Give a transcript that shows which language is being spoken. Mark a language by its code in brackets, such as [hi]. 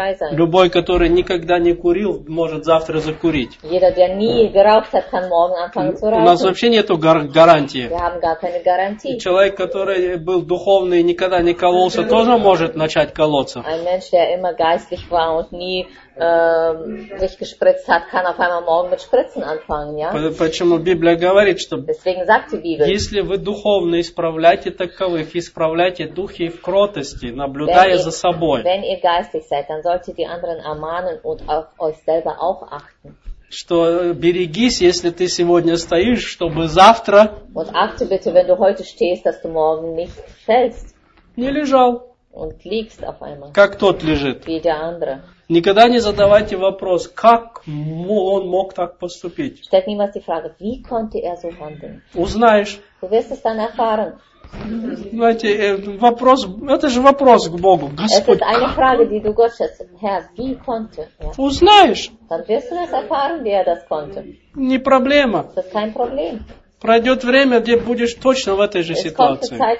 [ru] Любой, который никогда не курил, может завтра закурить. У нас вообще нету гарантии. Человек, который был духовный и никогда не кололся, тоже может начать колоться. [de] Sich gespritzt hat, kann auf einmal morgen mit Spritzen anfangen, ja? [ru] Почему Библия говорит, что [de] Deswegen sagt die Bibel, [ru] если вы духовно исправляете таковых, исправляйте духи в кротости, наблюдая за собой. [de] Wenn ihr geistig seid, dann solltet ihr anderen ermahnen und auf euch selber auch achten. [ru] Что берегись, если ты сегодня стоишь, чтобы завтра [de] Und achte bitte, wenn du heute stehst, dass du morgen nicht fällst. [ru] Не лежал. [de] Und liegst auf einmal. [ru] Как тот лежит. [de] Wie der andere. [ru] Никогда не задавайте вопрос, как он мог так поступить. [de] Stellt niemals die Frage, wie konnte er so handeln? [ru] Узнаешь. [de] Du wirst es dann erfahren. [ru] Знаете, вопрос, это же вопрос к Богу, Господь. [de] Es ist eine Frage, die du Gott stellst, Herr, wie konnte er? [ru] Узнаешь. [de] Dann wirst du es erfahren, wie er das konnte. [ru] Не проблема. [de] Das ist kein Problem. [ru] Пройдет время, где будешь точно в этой же ситуации.